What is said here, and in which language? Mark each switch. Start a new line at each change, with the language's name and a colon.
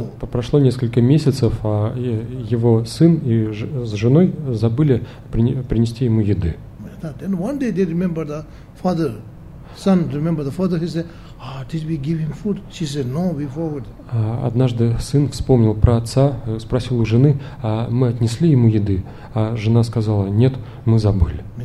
Russian: Прошло несколько месяцев, а его сын и с женой забыли принести ему еды.
English: Then one day they remember the father, son remember the father, he said, ah, did we give him food? She said, no, we forgot.
Russian: Однажды сын вспомнил про отца, спросил у жены, а мы отнесли ему еды? А жена сказала, нет, мы забыли.